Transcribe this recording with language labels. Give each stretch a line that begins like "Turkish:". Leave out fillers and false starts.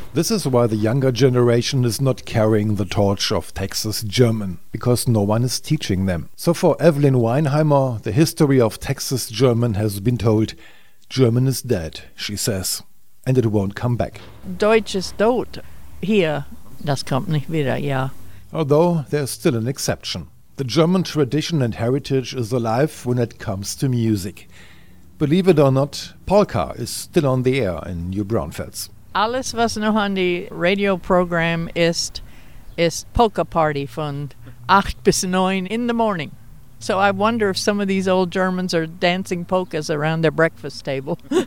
English: This is why the younger generation is not carrying the torch of Texas German, because no one is teaching them. So for Evelyn Weinheimer, the history of Texas German has been told. German is dead, she says, and it won't come back.
German: Deutsch ist tot. Hier, das kommt nicht wieder, ja.
English: Although there's still an exception. The German tradition and heritage is alive when it comes to music. Believe it or not, Polka is still on the air in New Braunfels.
German: Alles, was noch an die Radioprogramm ist Polka Party von 8 bis 9
English: in the morning. So I wonder if some of these old Germans are dancing polkas around their breakfast table.